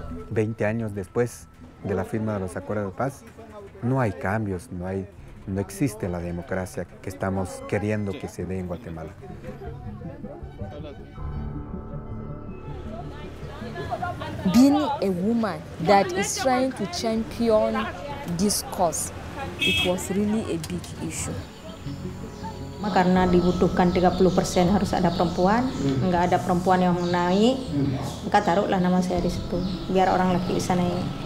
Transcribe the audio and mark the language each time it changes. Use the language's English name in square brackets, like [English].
[Spanish] Veinte años después de la firma de los acuerdos de paz, no hay cambios, no existe la democracia que estamos queriendo que se dé en Guatemala. Hola. [English] being a woman that is trying to champion this cause, it was really a big issue. [Indonesian] Karena dibutuhkan 30% harus ada perempuan, enggak ada perempuan yang naik, maka taruhlah nama saya di situ, biar orang laki bisa naik.